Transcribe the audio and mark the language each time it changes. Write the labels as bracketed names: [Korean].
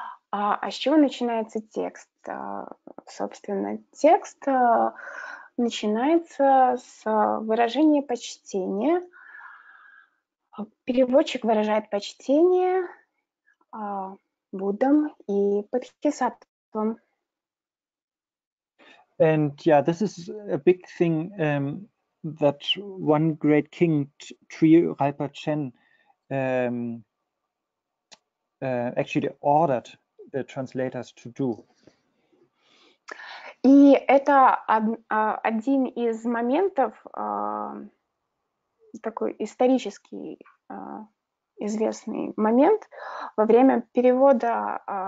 [Russian] А с чего начинается текст? Собственно, текст начинается с выражения почтения. Переводчик выражает почтение Буддам и Бодхисаттвам. [English] And yeah, this is a big thing that one great king, Trirupa Chen, actually ordered the translators to do. [Russian] И это один из моментов, такой исторический известный момент во время перевода